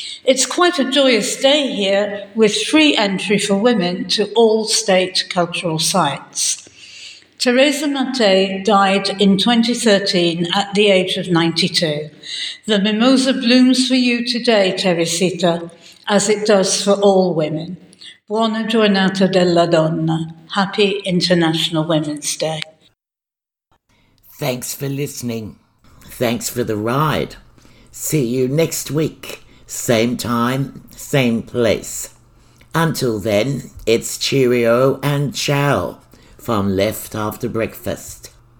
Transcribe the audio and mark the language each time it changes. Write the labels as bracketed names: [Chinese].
[English] It's quite a joyous day here, with free entry for women to all state cultural sites. Teresa Mattei died in 2013 at the age of 92. The mimosa blooms for you today, Teresita, as it does for all women. [Italian] Buona giornata della donna. [English] Happy International Women's Day. Thanks for listening. Thanks for the ride. See you next week. Same time, same place. Until then, it's cheerio and ciao from Left After Breakfast.